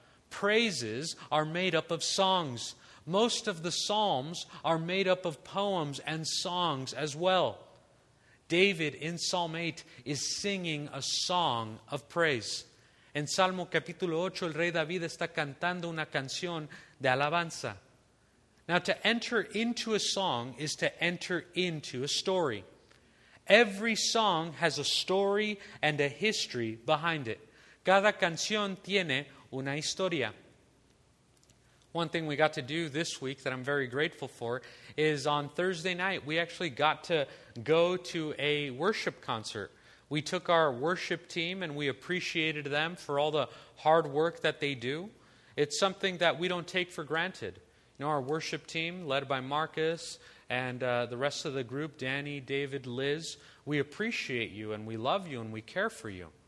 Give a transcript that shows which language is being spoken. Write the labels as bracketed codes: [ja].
[en] Praises are made up of songs. Most of the Psalms are made up of poems and songs as well. David in Psalm 8 is singing a song of praise. [es] En Salmo capítulo 8, el rey David está cantando una canción de alabanza. [en] Now, to enter into a song is to enter into a story. Every song has a story and a history behind it. [es] Cada canción tiene una historia. [en] One thing we got to do this week that I'm very grateful for is on Thursday night, we actually got to go to a worship concert. We took our worship team and we appreciated them for all the hard work that they do. It's something that we don't take for granted. You know, our worship team, led by Marcus and the rest of the group, Danny, David, Liz, we appreciate you and we love you and we care for you.